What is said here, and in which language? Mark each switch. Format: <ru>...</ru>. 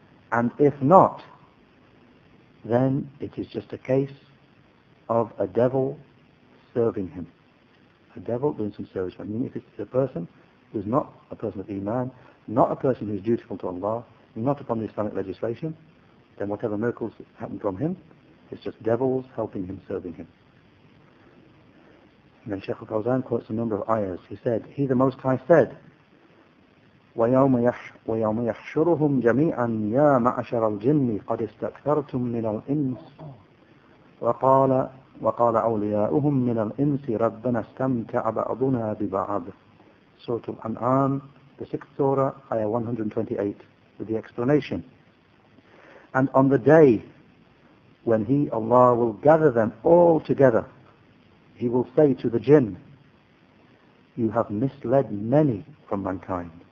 <en>And if not, then it is just a case of a devil serving him. A devil doing some service. I mean, if it's a person who's not a person of Iman, not a person who's dutiful to Allah, not upon the Islamic legislation, then whatever miracles happen from him, it's just devils helping him, serving him. And then Shaykh al-Fawzan quotes a number of ayahs. He said, He the Most High said,</en> <ar>وَيَوْمَ يَحْشُرُهُمْ جَمِيعًا يَا مَعَشَرَ الْجِنِّ قَدِ اسْتَكْثَرْتُمْ مِنَ الْإِنْسِ وَقَالَ أَوْلِيَاؤُهُمْ مِنَ الْإِنْسِ رَبَّنَا اسْتَمْتَعَ بَعْضُنَا بِبَعْضٍ.</ar> <en>Surah Al-An'am, the 6th Surah, Ayah 128, with the explanation. And on the day when He, Allah, will gather them all together, He will say to the jinn, You have misled many from mankind.</en>